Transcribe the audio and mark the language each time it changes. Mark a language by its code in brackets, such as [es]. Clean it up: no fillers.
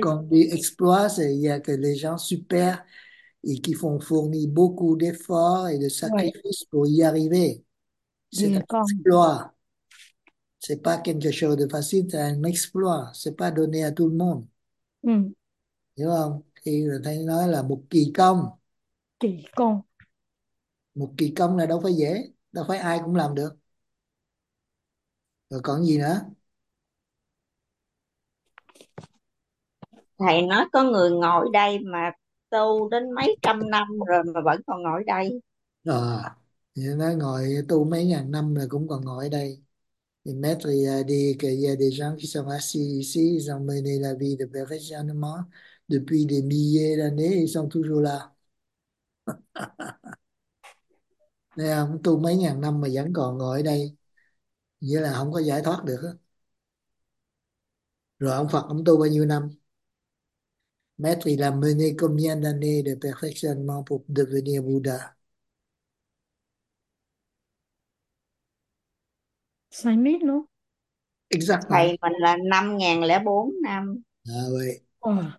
[fr] Quand on dit exploit, c'est il y a que les gens super et qui font fournir beaucoup d'efforts et de Oui. sacrifices pour y arriver. C'est un Dire con. exploit. C'est pas quelque chose de facile, c'est un exploit. C'est pas donné à tout le monde. [vi] Hiểu không? Thì người ta nói là một kỳ công. Dire con. Một kỳ công là đâu phải dễ, đâu phải ai cũng làm được. Rồi còn gì nữa? Thầy nói có người ngồi đây mà tu đến mấy trăm năm rồi mà vẫn còn ngồi đây. À, nói ngồi tu mấy ngàn năm là cũng còn ngồi đây. [fr] Thì maître, il y a des gens qui sont assis ici, ils ont mené la vie de perfectionnement depuis des milliers d'années, ils sont toujours là. [vi] Nè, tu mấy ngàn năm mà vẫn còn ngồi ở đây, nghĩa là không có giải thoát được. Rồi ông Phật, ông tu bao nhiêu năm? [fr] Maître, il a mené combien d'années de perfectionnement pour devenir Bouddha? 5 000 non? Exactement. [vi] Thầy mình là 5.004 năm. [fr] Ah oui. Oh.